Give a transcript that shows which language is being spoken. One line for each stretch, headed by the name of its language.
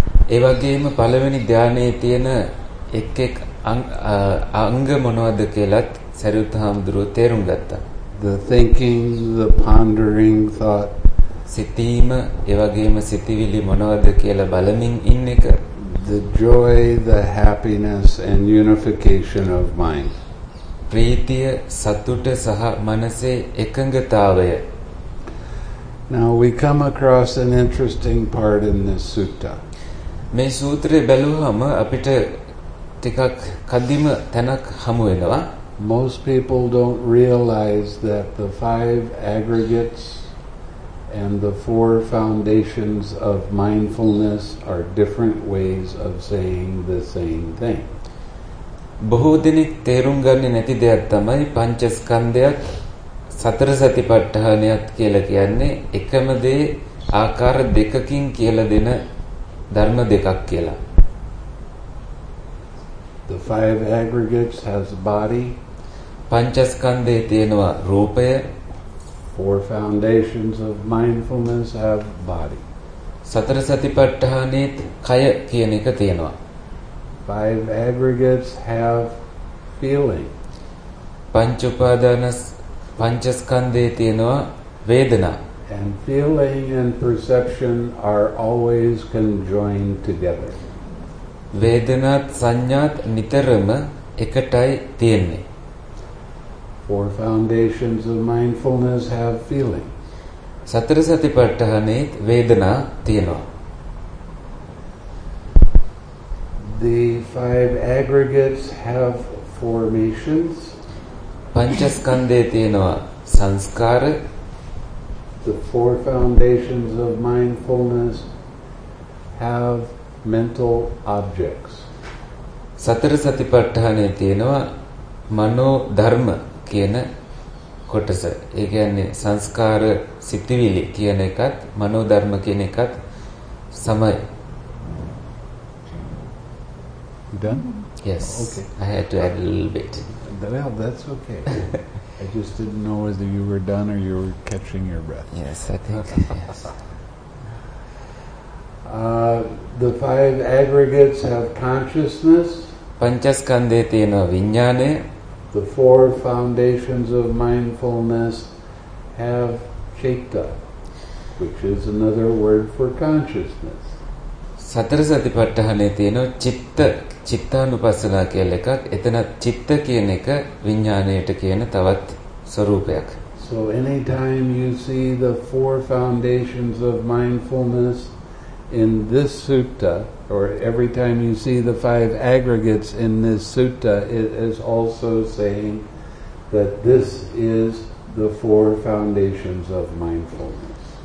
Sinhala: එවැගේම පළවෙනි ධානයේ තියෙන එක් එක් අංග මොනවද කියලාත් සරියුත්හාමුදුරුව තේරුම් ගත්තා.
English: The thinking, the pondering thought.
Sinhala: සිතීම එවගේම සිතිවිලි මොනවද කියලා බලමින් ඉන්න එක
English: the joy the happiness and unification of mind
Sinhala: ප්‍රීතිය සතුට සහ මනසේ එකඟතාවය
English: now we come across an interesting part in this sutta
Sinhala: මේ සූත්‍රය බැලුවම අපිට ටිකක් කදිම තැනක් හමු වෙනවා
English: most people don't realize that the five aggregates and the four foundations of mindfulness are different ways of saying the same thing
Sinhala: බොහෝ දෙනෙක් තේරුම් ගන්නේ නැති දෙයක් තමයි පංචස්කන්ධයත් සතර සතිපට්ඨානයත් කියලා කියන්නේ එකම දේ ආකාර දෙකකින් කියලා දෙන ධර්ම දෙකක් කියලා
English: the five aggregates has body
Sinhala: පංචස්කන්ධේ තියෙනවා රූපය
English: four foundations of mindfulness have body
Sinhala: සතර සතිපට්ඨානයේ කය කියන එක තියෙනවා
English: five aggregates have feeling
Sinhala: පංච උපාදාන පංචස්කන්ධේ තියෙනවා වේදනා
English: and feeling and perception are always conjoined together
Sinhala: වේදනාත් සංඥාත් නිතරම එකටයි තියෙන්නේ
English: four foundations of mindfulness have feeling
Sinhala: සතර සතිපට්ඨානයේ වේදනා තියෙනවා
English: the five aggregates have formations
Sinhala: පංචස්කන්ධයේ තියෙනවා සංස්කාර
English: the four foundations of mindfulness have mental objects
Sinhala: සතර සතිපට්ඨානයේ තියෙනවා මනෝ ධර්ම කියන කොටස. ඒ කියන්නේ සංස්කාර සිතිවිලි කියන එකත් මනෝ ධර්ම කියන එකත් සමයි.
English: Done? Yes. Okay. I had to add a little bit. Well, that's okay. I just didn't know whether you were done or you were catching your breath. Yes, I think. Yes. The five aggregates have consciousness.
Sinhala: පංචස්කන්ධයේ තියෙන විඥානය
English: The four foundations of mindfulness have chitta, which is another word for consciousness.
Sinhala: සතර සතිපට්ඨානයේ තියෙන චිත්ත චිත්තානුපස්සනා කියලා එකක්. එතන චිත්ත කියන එක විඥාණයට කියන තවත් ස්වරූපයක්.
English: So anytime you see the four foundations of mindfulness in this sutta or every time you see the five aggregates in this sutta it is also saying that this is the four foundations of mindfulness